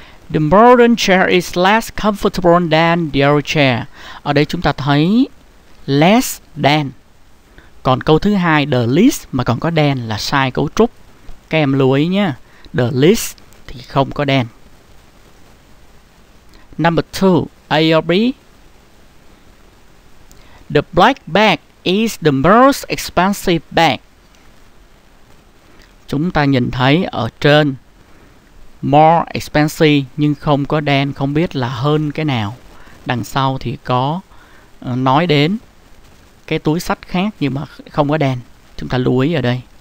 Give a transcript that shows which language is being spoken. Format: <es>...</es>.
<en>The modern chair is less comfortable than the old chair.</en> <vi>Ở đây chúng ta thấy less than. Còn câu thứ hai, the least mà còn có than là sai cấu trúc. Các em lưu ý nhé. The least thì không có than.</vi> <en>Number 2, A or B? The black bag is the most expensive bag.</en> <vi>Chúng ta nhìn thấy ở trên more expensive nhưng không có than, không biết là hơn cái nào. Đằng sau thì có nói đến cái túi sách khác nhưng mà không có than. Chúng ta lưu ý ở đây.</vi>